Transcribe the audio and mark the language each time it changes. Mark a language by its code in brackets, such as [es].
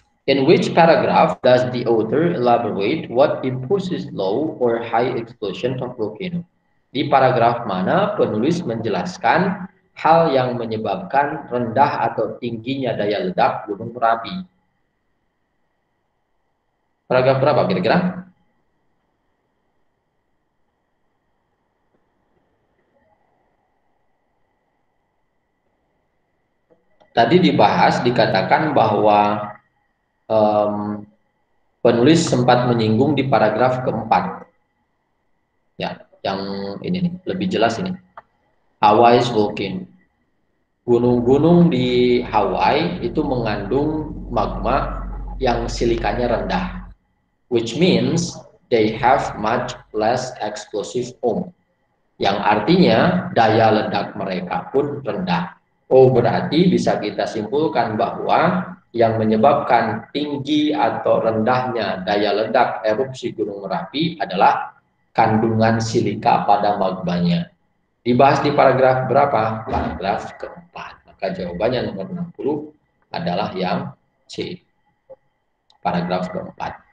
[en] In which paragraph does the author elaborate what imposes low or high explosion of volcano? [id] Di paragraf mana penulis menjelaskan hal yang menyebabkan rendah atau tingginya daya ledak Gunung Merapi? Paragraf berapa kira-kira? Tadi dibahas, dikatakan bahwa penulis sempat menyinggung di paragraf keempat. Ya, yang ini nih, lebih jelas ini. Hawaii's volcano. Gunung-gunung di Hawaii itu mengandung magma yang silikanya rendah. [en] Which means they have much less explosive ohm. [id] Yang artinya daya ledak mereka pun rendah. Oh, berarti bisa kita simpulkan bahwa yang menyebabkan tinggi atau rendahnya daya ledak erupsi Gunung Merapi adalah kandungan silika pada magmanya. Dibahas di paragraf berapa? Paragraf keempat. Maka jawabannya nomor 60 adalah yang C. Paragraf keempat.